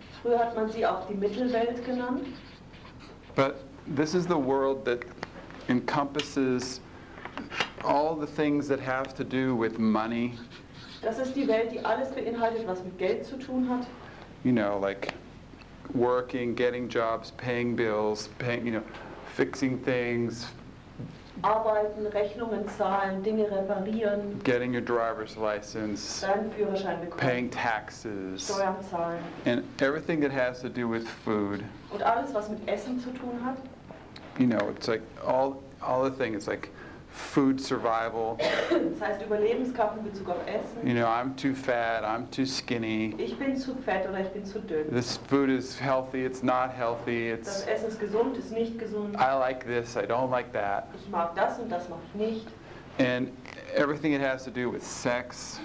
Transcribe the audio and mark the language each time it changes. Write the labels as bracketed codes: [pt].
[de] Früher hat man sie auch die Mittelwelt genannt. [en] But this is the world that encompasses all the things that have to do with money. [de] Das ist die Welt, die alles beinhaltet, was mit Geld zu tun hat. [en] You know, like working, getting jobs, paying bills, you know, fixing things. [de] Arbeiten, Rechnungen zahlen, Dinge reparieren. [en] Getting your driver's license. [de] Deinen Führerschein bekommen. [en] Paying taxes. [de] Steuern zahlen. [en] And everything that has to do with food. [de] Und alles, was mit Essen zu tun hat. [en] You know, it's like all the things. It's like food survival. [de] Das heißt Überlebenskampf in Bezug auf Essen. [en] You know, I'm too fat. I'm too skinny. [de] Ich bin zu fett oder ich bin zu dünn. [en] This food is healthy. It's not healthy. It's. [de] Das Essen ist gesund. Ist nicht gesund. [en] I like this. I don't like that. [de] Ich mag das und das mag ich nicht. [en] And everything it has to do with sex.